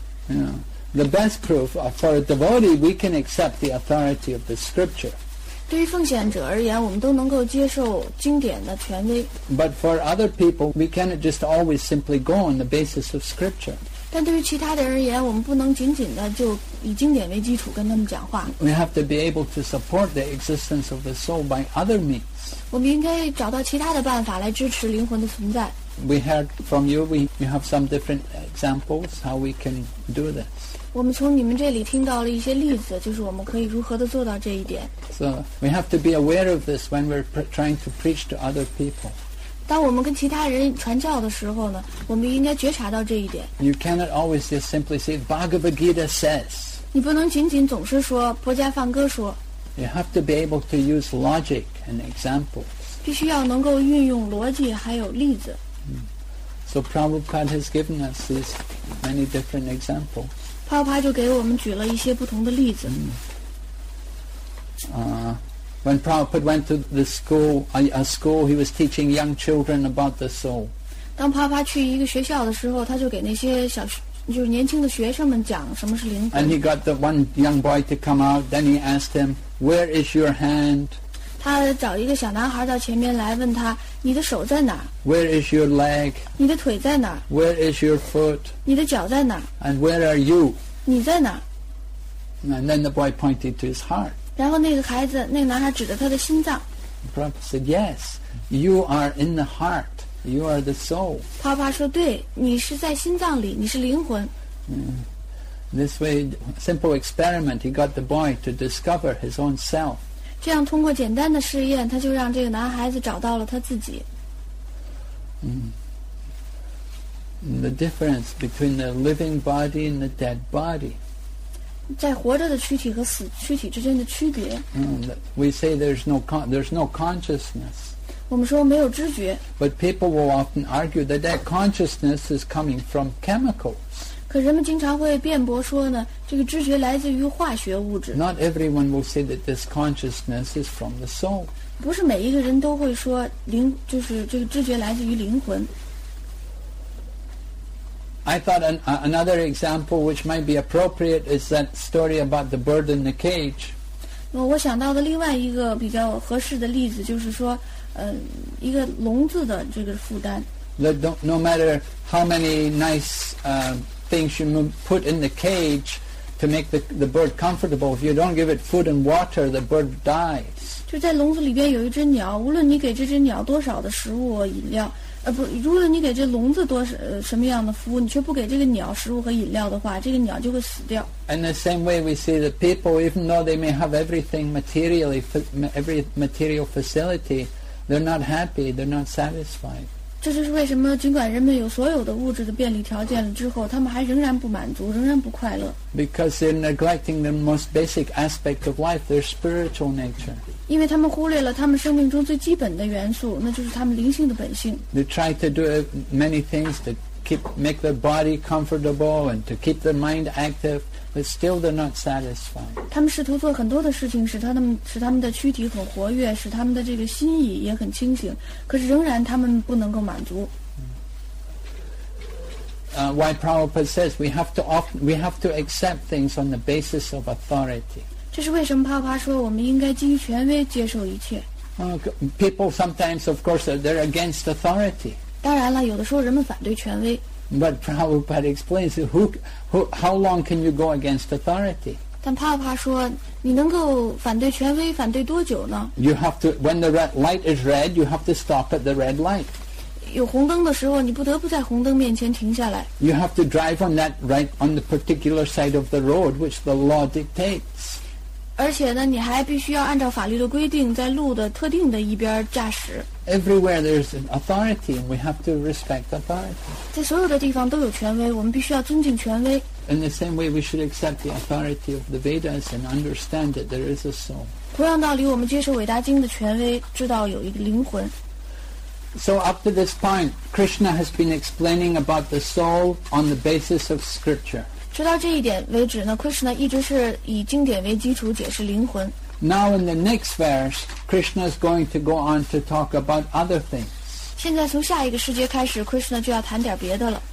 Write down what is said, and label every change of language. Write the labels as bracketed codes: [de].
[en] Yeah. The best proof for a devotee, we can accept the authority of the scripture. [zh] 对于奉献者而言，我们都能够接受经典的权威。 [en] But for other people, we cannot just always simply go on the basis of scripture. [zh] 但对于其他的人而言，我们不能仅仅的就以经典为基础跟他们讲话。 [en] We have to be able to support the existence of the soul by other means. [zh] 我们应该找到其他的办法来支持灵魂的存在。 [en] We heard from you. We have some different examples how we can do this. [zh] 我们从你们这里听到了一些例子，就是我们可以如何的做到这一点。 [en] So we have to be aware of this when we're trying to preach to other people. [zh] 当我们跟其他人传教的时候呢，我们应该觉察到这一点。 [en] You cannot always just simply say Bhagavad Gita says. [zh] 你不能仅仅总是说婆伽梵歌说。 [en] You have to be able to use logic and examples. [zh] 必须要能够运用逻辑还有例子。 [en] So Prabhupada has given us these many different examples. [zh] 帕帕就给我们举了一些不同的例子。 [en] When Prabhupada went to the school, a school, he was teaching young children about the soul. [zh] 当帕帕去一个学校的时候，他就给那些小学，就是年轻的学生们讲什么是灵魂。 [en] And he got the one young boy to come out. Then he asked him, "Where is your hand?" [zh] 他找一个小男孩到前面来，问他，你的手在哪儿 [en] ？Where is your leg? [zh] 你的腿在哪儿 [en] ？Where is your foot? [zh] 你的脚在哪儿 [en] ？And where are you? [zh] 你在哪儿 [en] ？And then the boy pointed to his heart. [zh] 然后那个孩子，那个男孩指着他的心脏。 [en] Prabhupada said, "Yes, you are in the heart. You are the soul." [zh] 帕帕说，对，你是在心脏里，你是灵魂。 [en] This way, simple experiment, he got the boy to discover his own self. [zh] 这样通过简单的试验，他就让这个男孩子找到了他自己。 [en] The difference between the living body and the dead body. [zh] 在活着的躯体和死躯体之间的区别。 [en] We say there's no consciousness. [zh] 我们说没有知觉。 [en] But people will often argue that that consciousness is coming from chemicals. [zh] 可人们经常会辩驳说呢，这个知觉来自于化学物质。 [en] Not everyone will say that this consciousness is from the soul. [zh] 不是每一个人都会说灵，就是这个知觉来自于灵魂。 [en] I thought another example which might be appropriate is that story about the bird in the cage. [zh] 我想到的另外一个比较合适的例子就是说，一个笼子的这个负担。 [en] No matter how many nice things you put in the cage to make the bird comfortable, if you don't give it food and water, the bird dies. [zh] 就在笼子里边有一只鸟，无论你给这只鸟多少的食物饮料。如果你给这笼子多什么样的服务，你却不给这个鸟食物和饮料的话，这个鸟就会死掉。 [en] In the same way, we see that people, even though they may have everything materially, every material facility, they're not happy, they're not satisfied. [zh] 这就是为什么，尽管人们有所有的物质的便利条件了之后，他们还仍然不满足，仍然不快乐。 [en] Because they're neglecting the most basic aspect of life, their spiritual nature. [zh] 因为他们忽略了他们生命中最基本的元素，那就是他们灵性的本性。 [en] They try to do many things to make their body comfortable and to keep their mind active, but still they're not satisfied. [zh] 他们试图做很多的事情，使他们的躯体很活跃，使他们的这个心意也很清醒，可是仍然他们不能够满足。 [en] Why Prabhupada says we have to accept things on the basis of authority. [zh] 这是为什么帕帕说我们应该基于权威接受一切。 [en] People sometimes, of course, they're against authority. [zh] 当然了，有的时候人们反对权威。 [en] But Prabhupada explains, how long can you go against authority? [zh] 但帕帕说，你能够反对权威反对多久呢 [en] ？You have to when the red light is red, you have to stop at the red light. [zh] 有红灯的时候，你不得不在红灯面前停下来。 [en] You have to drive on that right on the particular side of the road which the law dictates. [zh] 而且呢，你还必须要按照法律的规定，在路的特定的一边驾驶。 [en] Everywhere there's an authority, and we have to respect authority. [zh] 在所有的地方都有权威，我们必须要尊敬权威。 [en] In the same way, we should accept the authority of the Vedas and understand that there is a soul. [zh] 同样道理，我们接受伟大经的权威，知道有一个灵魂。 [en] So up to this point, Krishna has been explaining about the soul on the basis of scripture. [zh] 直到这一点为止呢 ，Krishna 一直是以经典为基础解释灵魂。 [en] Now in the next verse, Krishna is going to go on to talk about other things. [zh] 现在从下一个世界开始 ，Krishna 就要谈点别的了。